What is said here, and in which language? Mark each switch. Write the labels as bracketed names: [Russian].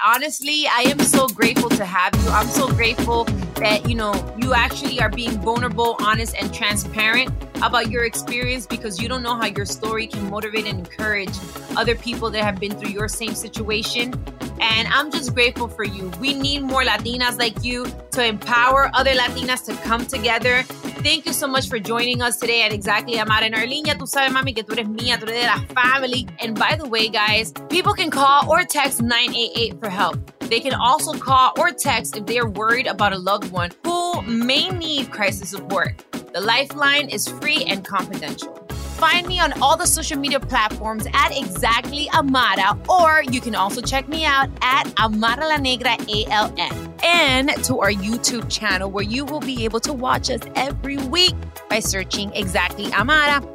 [English] Honestly, I am so grateful to have you. I'm so grateful that, you know, you actually are being vulnerable, honest, and transparent about your experience, because you don't know how your story can motivate and encourage other people that have been through your same situation. And I'm just grateful for you. We need more Latinas like you to empower other Latinas to come together. Thank you so much for joining us today at Exactly Amara. [Spanish] En Arlinia, tú sabes, mami, que tú eres mía, tú eres de la family. [English] And by the way, guys, people can call or text 988 for help. They can also call or text if they are worried about a loved one who may need crisis support. The Lifeline is free and confidential. Find me on all the social media platforms at Exactly Amara, or you can also check me out at Amara La Negra ALN, and to our YouTube channel, where you will be able to watch us every week by searching Exactly Amara.